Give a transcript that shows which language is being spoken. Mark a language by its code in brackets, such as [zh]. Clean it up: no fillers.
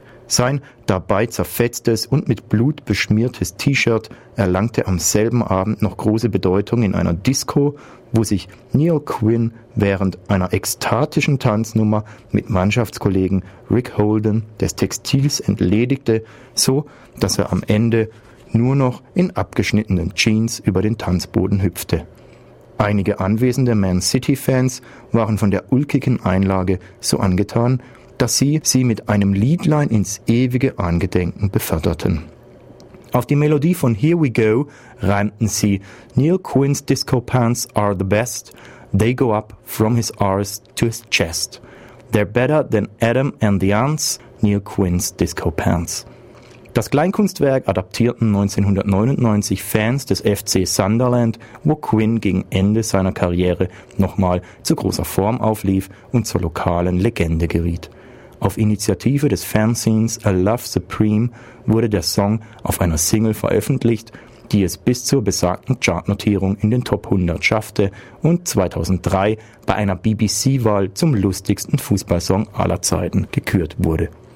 [de] Sein dabei zerfetztes und mit Blut beschmiertes T-Shirt erlangte am selben Abend noch große Bedeutung in einer Disco, wo sich Neil Quinn während einer ekstatischen Tanznummer mit Mannschaftskollegen Rick Holden des Textils entledigte, so dass er am Ende nur noch in abgeschnittenen Jeans über den Tanzboden hüpfte. Einige anwesende Man City-Fans waren von der ulkigen Einlage so angetan, dass sie sie mit einem Liedlein ins ewige Angedenken beförderten. Auf die Melodie von [en] Here We Go [de] reimten sie [en] Neil Quinn's Disco Pants are the best, they go up from his arse to his chest. They're better than Adam and the Ants, Neil Quinn's Disco Pants. [de] Das Kleinkunstwerk adaptierten 1999 Fans des FC Sunderland, wo Quinn gegen Ende seiner Karriere nochmal zu großer Form auflief und zur lokalen Legende geriet. Auf Initiative des Fanzines A Love Supreme wurde der Song auf einer Single veröffentlicht, die es bis zur besagten Chartnotierung in den Top 100 schaffte und 2003 bei einer BBC-Wahl zum lustigsten Fußballsong aller Zeiten gekürt wurde.